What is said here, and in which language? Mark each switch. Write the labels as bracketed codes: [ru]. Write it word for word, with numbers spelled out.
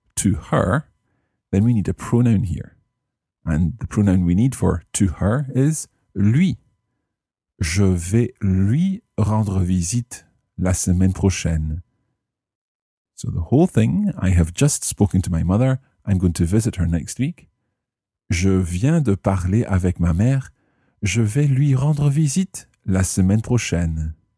[en] to her, then we need a pronoun here. And the pronoun we need for to her is lui. [fr] Je vais lui rendre visite la semaine prochaine. [en] So the whole thing, I have just spoken to my mother, I'm going to visit her next week. [fr] Je viens de parler avec ma mère, je vais lui rendre visite la semaine prochaine.